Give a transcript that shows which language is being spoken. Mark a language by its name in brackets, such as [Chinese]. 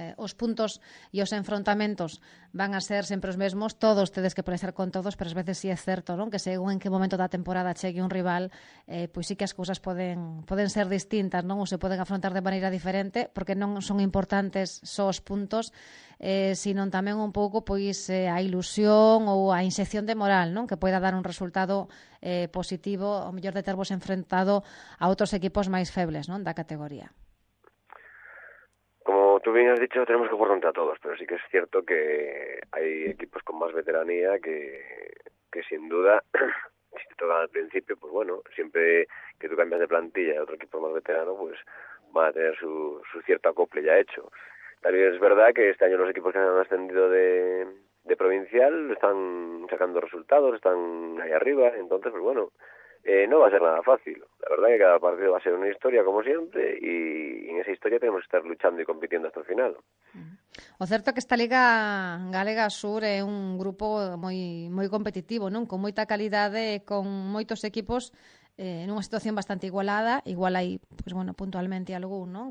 [Galician] Os puntos e os enfrontamentos van a ser sempre os mesmos, todos tedes que polestar con todos, pero ás veces sí é certo, non? Que según en que momento da temporada chegue un rival, pois sí que as cousas poden ser distintas, non? Ou se poden afrontar de maneira diferente, porque non son importantes só os puntos, sino tamén un pouco pois a ilusión ou a inxección de moral, non? Que poida dar un resultado positivo, o mellor de ter vos enfrentados enfrontado a outros equipos máis febles, non, da categoría. [Spanish] Como tú bien has dicho, tenemos que jugar contra todos, pero sí que es cierto que hay equipos con más veteranía que sin duda, si te tocan al principio, pues bueno, siempre que tú cambias de plantilla y otro equipo más veterano, pues va a tener su cierto acople ya hecho. También es verdad que este año los equipos que han ascendido de provincial están sacando resultados, están ahí arriba, entonces, pues bueno, no va a ser nada fácil. La verdad es que cada partido va a ser una historia, como siempre, y en esa historia tenemos que estar luchando y compitiendo hasta el final. [Galician] O certo que esta Liga Galega Sur é un grupo moi, moi competitivo, non? Con moita calidade e con moitos equipos en unha situación bastante igualada. Igual hai, pues, bueno, puntualmente algún, non?